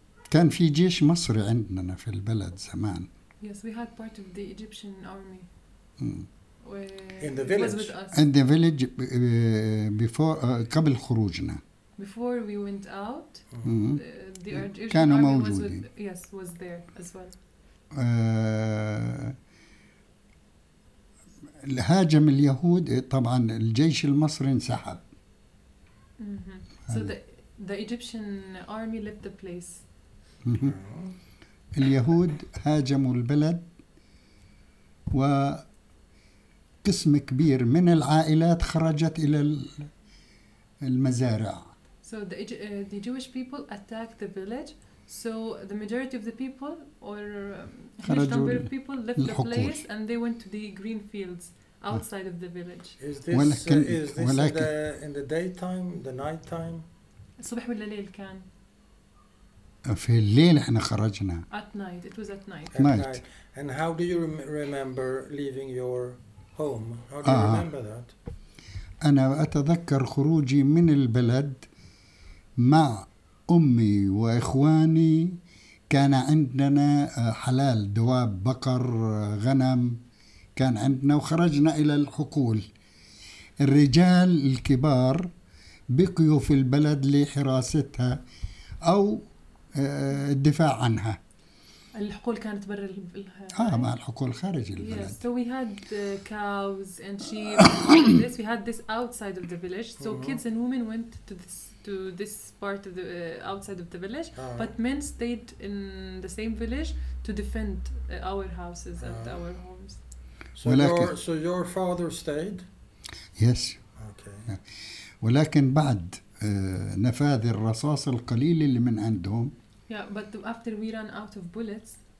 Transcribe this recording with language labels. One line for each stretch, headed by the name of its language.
Arabic: كان في جيش مصري عندنا في البلد زمان.
English: Yes, we had part of the Egyptian army. In the village. In the village before
Arabic: قبل خروجنا.
English: Before we went out, the Egyptian army was with, yes, was there as well.
Arabic: الهاجم اليهود طبعا الجيش المصري انسحب.
English: So the Egyptian army left the place.
Arabic: اليهود هاجموا البلد وقسم كبير من العائلات خرجت إلى المزارع.
English: So the Jewish people attacked the village. So the majority of the people, or huge number of people, left the place and they went to the green fields outside of the village. Is this in the daytime, the night time?
Arabic: صبح ولا ليل كان. في الليل إحنا خرجنا.
English: At night, it was at night. At night. And how do you remember leaving your home? How do you remember that?
Arabic: أنا أتذكر خروجي من البلد. مع أمي وإخواني كان عندنا حلال دواب بقر غنم كان عندنا وخرجنا إلى الحقول الرجال الكبار بقيوا في البلد لحراستها أو الدفاع عنها الحقول كانت برا مع الحقول خارج البلد
English: so we had cows and sheep this we had this outside of the village so kids and women went to this part of the outside of the village but men stayed in the same village to defend our houses and our homes so your father stayed yes okay
Arabic: ولكن بعد نفاذ الرصاص القليل اللي من عندهم
English: yeah but after we ran out of bullets